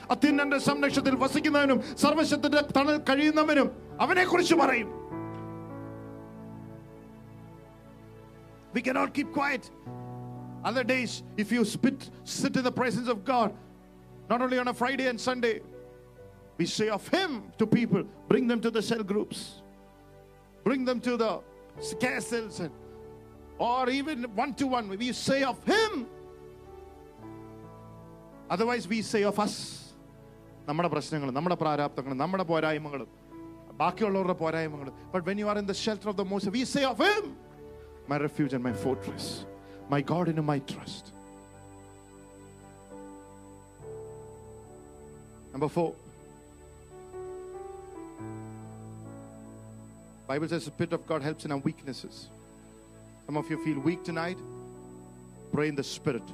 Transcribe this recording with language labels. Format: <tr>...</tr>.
<ml>അത്യുന്നത സംരക്ഷണത്തിൽ വസിക്കുന്നവനും സർവശക്തന്റെ തണൽ കഴിയുന്നവനും അവനെ കുറിച്ച് പറയും.</ml> <en>We cannot keep quiet. Other days, if you sit in the presence of God, Not only on a Friday and Sunday, we say of him to people, bring them to the cell groups, bring them to the scare cells, and or even one-to-one, we say of him. Otherwise, we say of us.</en> <ml>നമ്മുടെ പ്രശ്നങ്ങളും നമ്മുടെ പ്രാരാബ്ധങ്ങളും നമ്മുടെ പോരായ്മകളും ബാക്കിയുള്ളവരുടെ പോരായ്മകളും.</ml> <en>But when you are in the shelter of the Most High, we say of him, my refuge and my fortress, my God and my trust. Number 4. Bible says the Spirit of God helps in our weaknesses. Some of you feel weak tonight. Pray in the Spirit.</en>